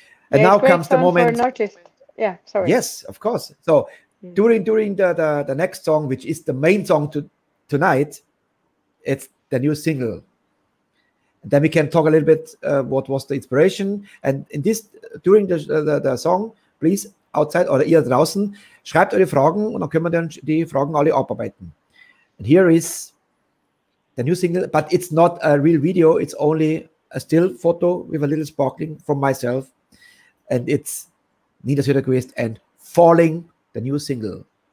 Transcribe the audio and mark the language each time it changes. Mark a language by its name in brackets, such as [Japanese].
[English] And now comes the moment. For an artist. Yeah, sorry. Yes, of course. So during the next song, which is the main song tonight, it's the new single. And then we can talk a little bit what was the inspiration. And in this during the song, please. Outside [German] oder ihr draußen, schreibt eure Fragen und dann können wir dann die Fragen alle abarbeiten. [English] And here is the new single, but it's not a real video, it's only a still photo with a little sparkling from myself. And it's Nina Söderquist and Falling, the new single.